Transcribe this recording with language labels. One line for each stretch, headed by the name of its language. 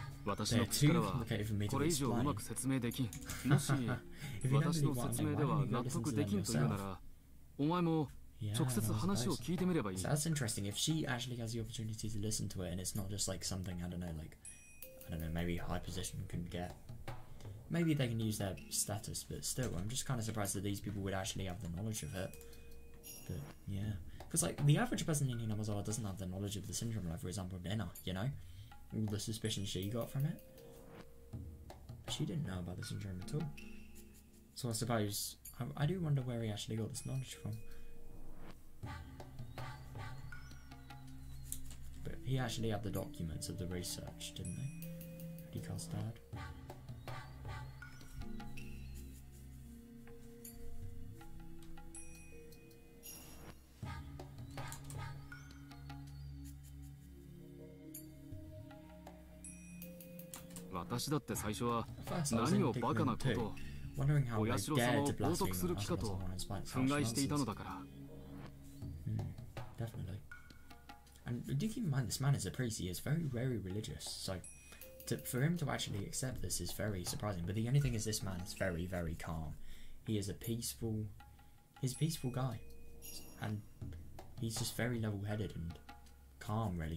Japanese: 私の口からはこれ以上うまく説明できん。もし私の説明では納得できんというなら、お前も直接話を聞いてみればいい。
English: So that's interesting. If she actually has the opportunity to listen to it, and it's not just like something I don't know, maybe high position can get. Maybe they can use their status, but still, I'm just kind of surprised that these people would actually have the knowledge of it. But yeah, because like the average person in Inamazawa doesn't have the knowledge of the syndrome, like for example, Nena, you know, all the suspicions she got from it. She didn't know about the syndrome at all. So I suppose I do wonder where he actually got this knowledge from. But he actually had the documents of the research, didn't he? Rika's dad.
Japanese: 私だって最初は何をバカなこと、お社様を拘束する気かと憤慨していたのだから。
English: Definitely. And do keep in mind this man is a priest. He is very, very religious. So, for him to actually accept this is very surprising. But the only thing is, this man is very, very calm. He is a peaceful guy, and he's just very level-headed and calm, really.